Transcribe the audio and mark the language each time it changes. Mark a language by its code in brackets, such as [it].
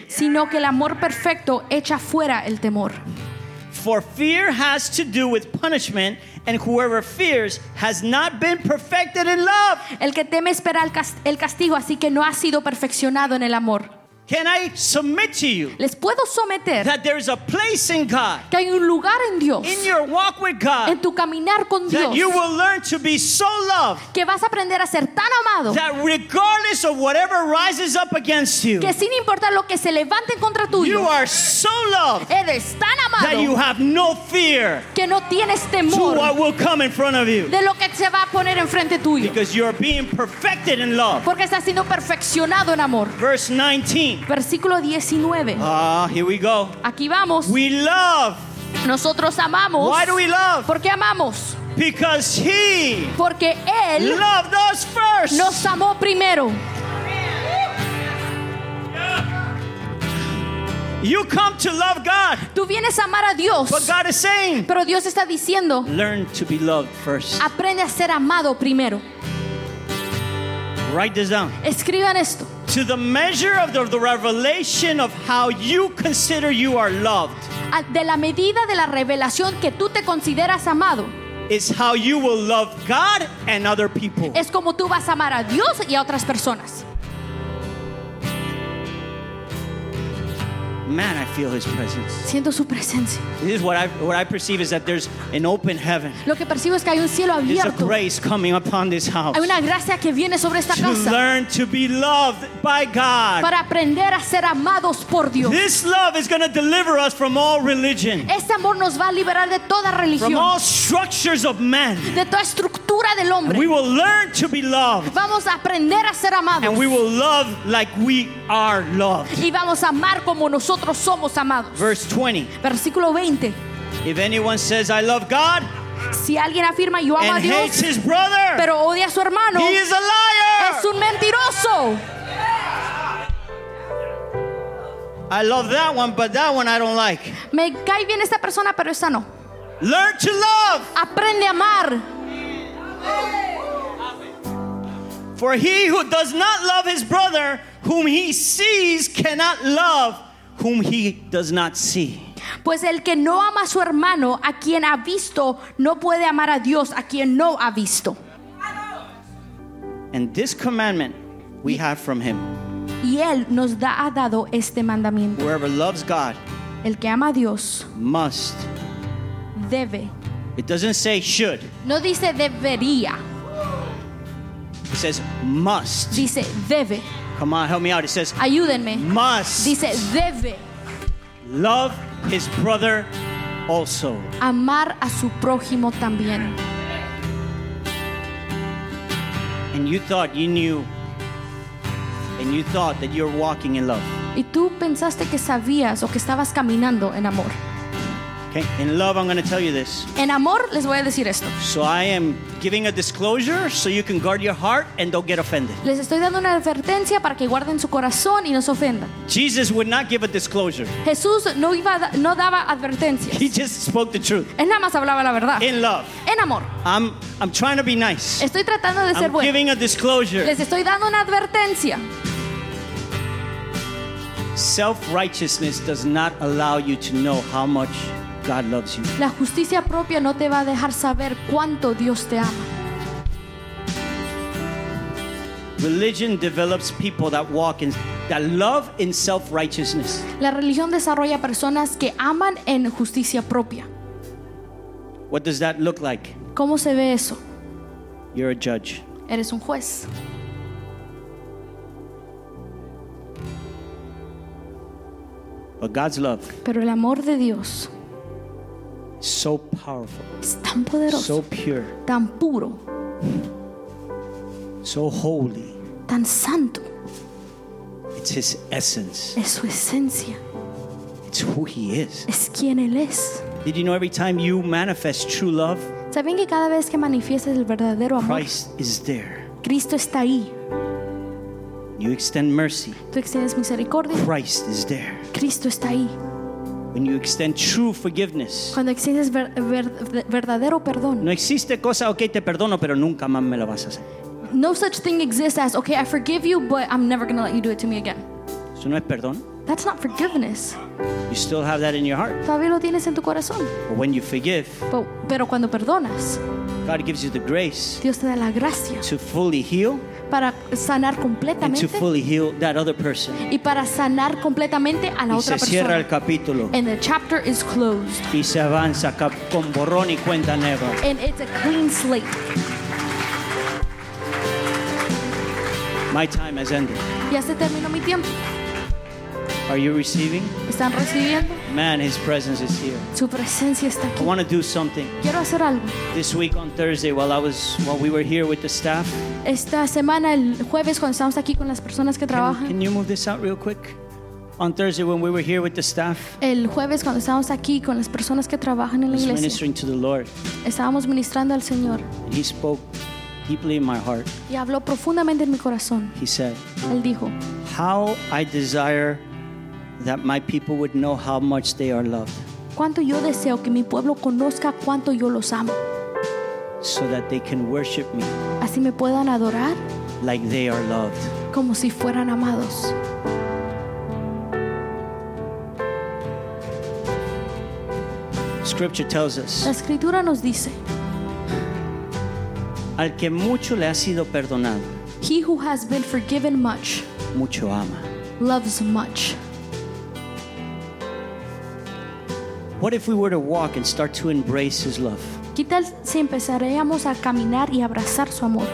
[es] Sino que el amor perfecto echa fuera el temor. [en] For fear has to do with punishment, and whoever fears has not been perfected in love. [es] El que teme espera el castigo, así que no ha sido perfeccionado en el amor. [en] Can I submit to you? [es] Les puedo someter [en] that there is a place in God. [es] Que hay un lugar en Dios. [en] In your walk with God. [es] En tu caminar con [en] that [es] Dios. [en] That you will learn to be so loved. [es] Que vas a aprender a ser tan amado. [en] That regardless of whatever rises up against you. [es] Que sin importar lo que se levante en contra tuyo. [en] You are so loved. [es] Eres tan amado. [en] That you have no fear. [es] Que no tienes temor. [en] To what will come in front of you. [es] De lo que se va a poner en frente tuyo. [en] Because you are being perfected in love. [es] Porque estás siendo perfeccionado en amor. [en] Verse 19. [es] Versículo 19. [en] Here we go. [es] Aquí vamos. [en] We love. [es] Nosotros amamos. [en] Why do we love? [es] ¿Por qué amamos? [en] Because he. [es] Porque él. [en] Loved us first. [es] Nos amó primero. [en] You come to love God. [es] Tú vienes a amar a Dios. [en] But God is saying. [es] Pero Dios está diciendo. [en] Learn to be loved first. [es] Aprende a ser amado primero. [en] Write this down. [es] Escriban esto. [en] To the measure of the revelation of how you consider you are loved. [es] De la medida de la revelación que tú te consideras amado. [en] Is how you will love God and other people. [es] Es como tú vas a amar a Dios y a otras personas. [en] Man, I feel his presence. [es] Siento su presencia. [en] This is what I perceive is that there's an open heaven. [es] Lo que percibo es que hay un cielo abierto. [en] There's a grace coming upon this house. [es] Hay una gracia que viene sobre esta casa. [en] To learn to be loved by God. [es] Para aprender a ser amados por Dios. [en] This love is going to deliver us from all religion. [es] Este amor nos va a liberar de toda religión. [en] From all structures of man. [es] De toda estructura del hombre. [en] And we will learn to be loved. [es] Vamos a aprender a ser amados. [en] And we will love like we are loved. [es] Y vamos a amar como nosotros. Somos amados. [en] Verse 20. [es] Versículo 20. [en] If anyone says I love God, [es] si alguien afirma yo amo [en] and [es] a Dios, [en] hates his brother, [es] pero odia a su hermano, [en] he is a liar. [es] Es un mentiroso. [en] I love that one, but that one I don't like. [es] Me cae bien esta persona, pero esta no. [en] Learn to love. [es] Aprende a amar. [en] For he who does not love his brother whom he sees cannot love whom he does not see. [es] Pues el que no ama a su hermano a quien ha visto no puede amar a Dios a quien no ha visto. [en] And this commandment we have from him. [es] Y él nos ha dado este mandamiento. [en] Whoever loves God, [es] el que ama a Dios, [en] must, [es] debe. [en] It doesn't say should. [es] No dice debería. [en] It says must. [es] Dice debe. [en] Come on, help me out. It says, [es] ayúdenme. [en] Must. [es] Dice, debe. [en] Love his brother also. [es] Amar a su prójimo también. [en] And you thought you knew. And you thought that you're walking in love. [es] Y tú pensaste que sabías o que estabas caminando en amor. [en] Okay, in love, I'm going to tell you this. [es] En amor, les voy a decir esto. [en] So I am giving a disclosure so you can guard your heart and don't get offended. [es] Les estoy dando una advertencia para que guarden su corazón y no se ofendan. [en] Jesus would not give a disclosure. [es] Jesús no daba advertencias. [en] He just spoke the truth. [es] Él nada más hablaba la verdad. [en] In love. [es] En amor. [en] I'm trying to be nice. [es] Estoy tratando de ser bueno. [en] I'm giving a disclosure. [es] Les estoy dando una advertencia. [en] Self-righteousness does not allow you to know how much God loves you. [es] La justicia propia no te va a dejar saber cuánto Dios te ama. [en] Religion develops people that walk in that love in self-righteousness. [es] La religión desarrolla personas que aman en justicia propia. [en] What does that look like? [es] ¿Cómo se ve eso? [en] You're a judge. [es] Eres un juez. [en] But God's love. [es] Pero el amor de Dios. [en] So powerful. [es] Es tan poderoso. [en] So pure. [es] Tan puro. [en] So holy. [es] Tan santo. [en] It's his essence. [es] Es su esencia. [en] It's who he is. [es] Es quien él es. [en] Did you know every time you manifest true love? [es] ¿Saben que cada vez que manifiestas el verdadero amor? [en] Christ is there. [es] Cristo está ahí. [en] You extend mercy. [es] Tú extiendes misericordia. [en] Christ is there. [es] Cristo está ahí. [en] When you extend true forgiveness. [es] Cuando extiendes verdadero perdón. No existe cosa, okay, te perdono, pero nunca más me la vas a hacer. [en] No such thing exists as, okay, I forgive you, but I'm never going to let you do it to me again. [es] Eso no es perdón. [en] That's not forgiveness. You still have that in your heart. [es] Todavía lo tienes en tu corazón. [en] But when you forgive. [es] Pero cuando perdonas. [en] God gives you the grace. [es] Dios te da la gracia. [en] To fully heal. [es] Para sanar completamente. [en] And to fully heal that other person. [es] Y para sanar completamente a la y otra se persona. Cierra el capítulo. [en] And the chapter is closed. [es] Y se avanza con borrón y cuenta nueva. [en] And it's a clean slate. My time has ended. [es] Ya se terminó mi tiempo. [en] Are you receiving? [es] ¿Están recibiendo? [en] Man, his presence is here. [es] Su presencia está aquí. [en] I want to do something. [es] Quiero hacer algo. [en] This week on Thursday, while we were here with the staff. [es] Esta semana el jueves cuando estamos aquí con las personas que trabajan. [en] Can you move this out real quick? On Thursday when we were here with the staff. [es] El jueves cuando estábamos aquí con las personas que trabajan en la iglesia. [en] Ministering to the Lord. [es] Estábamos ministrando al Señor. [en] And he spoke deeply in my heart. [es] Y habló profundamente en mi corazón. [en] He said. [es] Él dijo. [en] How I desire that my people would know how much they are loved. [es] Cuánto yo deseo que mi pueblo conozca cuánto yo los amo. [en] So that they can worship me. [es] Así me puedan adorar. [en] Like they are loved. [es] Como si fueran amados. [en] Scripture tells us. [es] La escritura nos dice. Al que mucho le ha sido perdonado. [en] He who has been forgiven much. [es] Mucho ama. [en] Loves much. What if we were to walk and start to embrace his love? [es] ¿Qué tal si empezaremos a caminar y abrazar su amor?